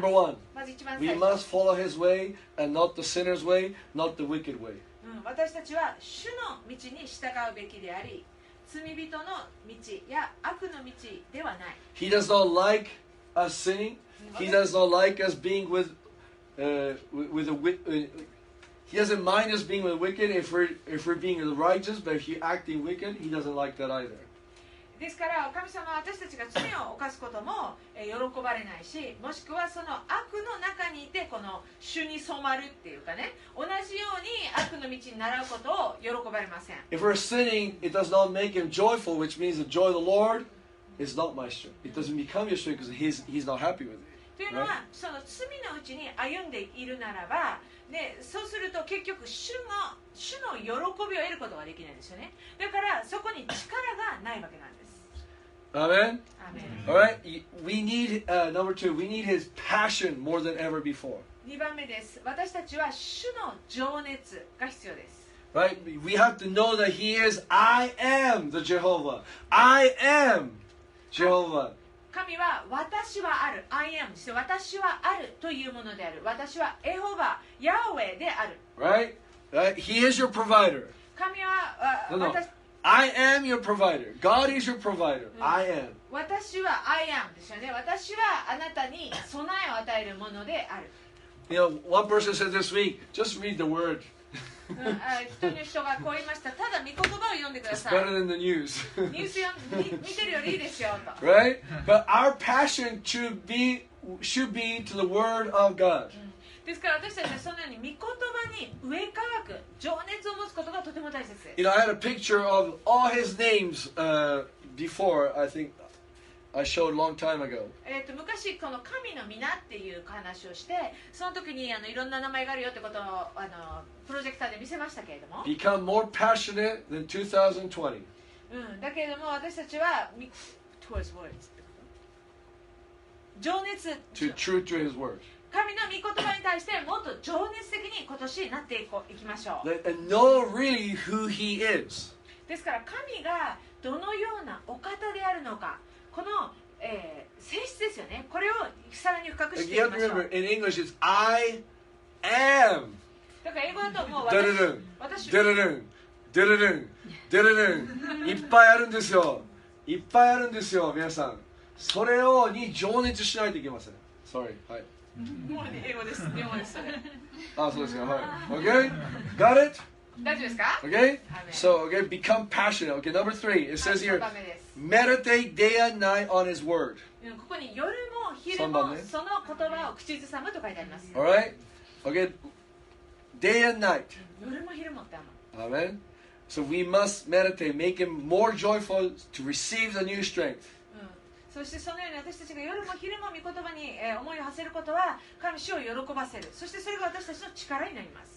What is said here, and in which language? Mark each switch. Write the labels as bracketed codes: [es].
[en] Number one, we must follow his way and not the sinner's way, not the wicked way. [ja] 私たちは主の道に従うべきであり、罪人の道や悪の道ではない。 [en] He does not like us sinning. He does not like us being with, with a, He doesn't mind us being with wicked if we're being righteous, but if you're acting wicked, he doesn't like that either. [ja] ですから神様は私たちが罪を犯すことも喜ばれないし、もしくはその悪の中にいてこの主に染まるっていうかね、同じように悪の道に習うことを喜ばれません。 [en] If we're sinning, it does not make him joyful, which means the joy of the Lord is not my strength. It doesn't become your strength because he's not happy with it. [ja] というのは、その罪のうちに歩んでいるならば、でそうすると結局主の喜びを得ることができないんですよね。だからそこに力がないわけなんです。 [en] アメン。All right. We need, number two, we need his passion more than ever before. [ja] 2番目です。私たちは主の情熱が必要です。 [en] Right. We have to know that he is I am the Jehovah. I am Jehovah. [ja] 神は私はある、 I am、 私はあるというものである。私はエホバ、ヤウェである。 [en] Right. He is your provider. [ja] 神は、 [en] no. I am your provider. God is your provider. I am. [ja] 私は I am ですよね。私はあなたに備えを与えるものである。 [en] You know, one person said this week, just read the word. [ja] 一人の人がこう言いました。ただ御言葉を読んでください。 [en] It's better than the news. [ja] ニュース見てるよりいいですよと。 [en] Right? But our passion should be to the word of God. [ja] ですから私たちはそのように御言葉に植え替わる情熱を持つことがとても大切です。 [en] You know, I had a picture of all his names, before, I think I showed a long time ago. [ja] 昔この神の皆っていう話をして、その時にいろんな名前があるよってことをプロジェクターで見せましたけれども、 [en] Become more passionate than 2020. [ja] だけれども私たちは [en] towards words [ja] 情熱 [en] to true to his word. [ja] 神の御言葉に対してもっと情熱的に今年なっていこう、いきましょう。 [en] And know really who he is. [ja] ですから神がどのようなお方であるのか、この、性質ですよね。これをさらに深くしていきましょう。 [en] You have to remember, in English it's I am. [ja] だから英語だともう私、デルルン、デルルン、デルルン、いっぱいあるんですよ。いっぱいあるんですよ、皆さん。それをに情熱しないといけません。 [en] Sorry, はい。 [ja] 英語です。英語です。あ、そうですか。はい。 [en] Okay? Got it? [ja] 大丈夫ですか? [en] Okay? So, okay, become passionate. Okay, number three. It says here, meditate day and night on his word. [ja] ここに夜も昼もその言葉を口ずさむと書いてあります。 [en] All right? Okay. Day and night. [ja] 夜も昼もってある [en] の。Amen. So we must meditate, make him more joyful to receive the new strength. [ja] そしてそのように私たちが夜も昼も御言葉に思いを馳せることは神主を喜ばせる。そしてそれが私たちの力になります。